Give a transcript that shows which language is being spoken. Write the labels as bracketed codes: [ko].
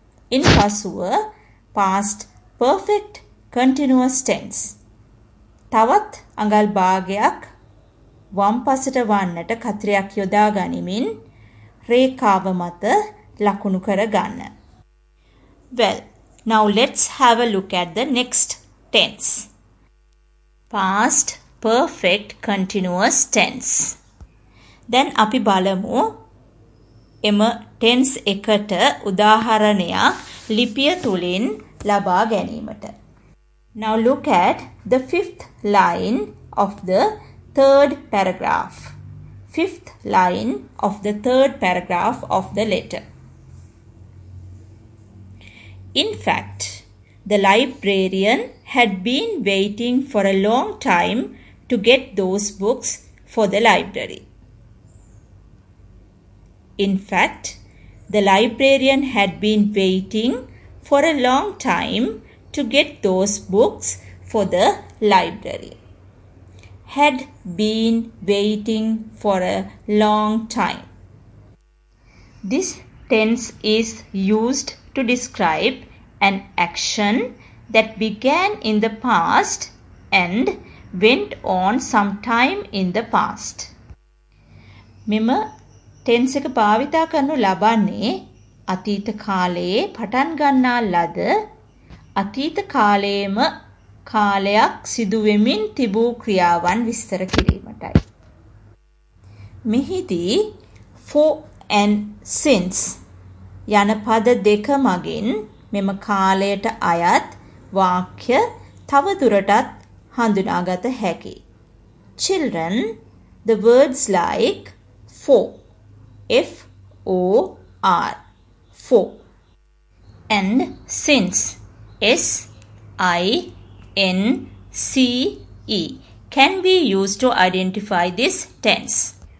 [si] ඉන් පසුව past perfect කන්ටිනුවස් tense තවත් අඟල් භාගයක් වම්පසට වන්නට කතිරයක් යොදා ගනිමින් රේඛාව මත ලකුණු කර ගන්න. [en] Well, now let's have a look at the next tense. Past perfect continuous tense. [si] Then අපි බලමු එම ටෙන්ස් එකට උදාහරණයක් ලිපිය තුලින් ලබා ගැනීමට. [en] Now look at the fifth line of the third paragraph. Fifth line of the third paragraph of the letter. In fact, the librarian had been waiting for a long time to get those books for the library. In fact, the librarian had been waiting for a long time to get those books for the library. Had been waiting for a long time. This tense is used to describe an action that began in the past and went on sometime in the past. [si] මෙම tense එක භාවිතා කරනු ලබන්නේ අතීත කාලයේ පටන් ගන්නා ලද අතීත කාලයේම කාලයක් සිදුවෙමින් තිබූ ක්‍රියාවන් විස්තර කිරීමටයි. මෙහිදී for and since යන පද දෙක මගින් මෙම කාලයට අයත් වාක්‍ය තවදුරටත් හඳුනාගත හැකි. [en] Children, the words like for, F-O-R, for, and since, S-I N C E can be used to identify this tense.